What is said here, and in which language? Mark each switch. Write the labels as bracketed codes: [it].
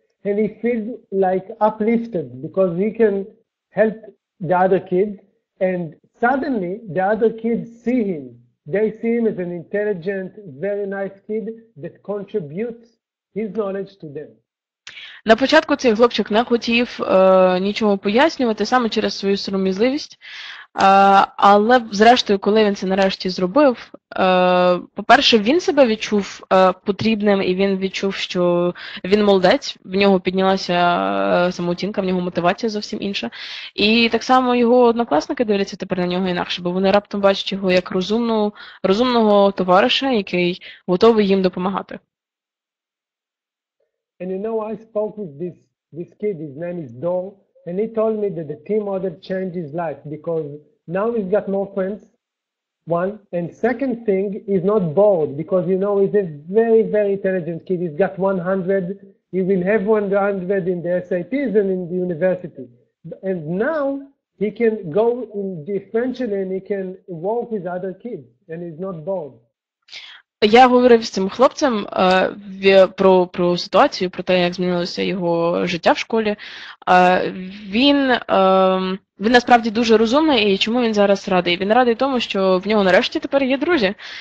[en] and he feels like uplifted because he can help the other kids. And suddenly the other kids see him. They see him as an intelligent, very nice kid that contributes his knowledge to them. [uk] На початку цей хлопчик не хотів нічого пояснювати, саме через свою сором'язливість. Але зрештою, коли він це нарешті зробив, по-перше, він себе відчув потрібним, і він відчув, що він молодець, в нього піднялася самооцінка, в нього мотивація зовсім інша. І так само його однокласники дивляться тепер на нього інакше, бо вони раптом бачать його як розумного товариша, який готовий їм допомагати. [en] And you know, I spoke with this kid, his name is Dong, and he told me that the team model changed his life because now he's got more friends, one. And second thing, he's not bored because, you know, he's a very, very intelligent kid. He's got 100, he will have 100 in the SATs and in the university. And now he can go in differentially and he can work with other kids and he's not bored. [uk] Я говорив з цим хлопцем про ситуацію, про те, як змінилося його життя в школі. Він насправді дуже розумний, і чому він зараз радий? Він радий тому, що в нього нарешті тепер є друзі.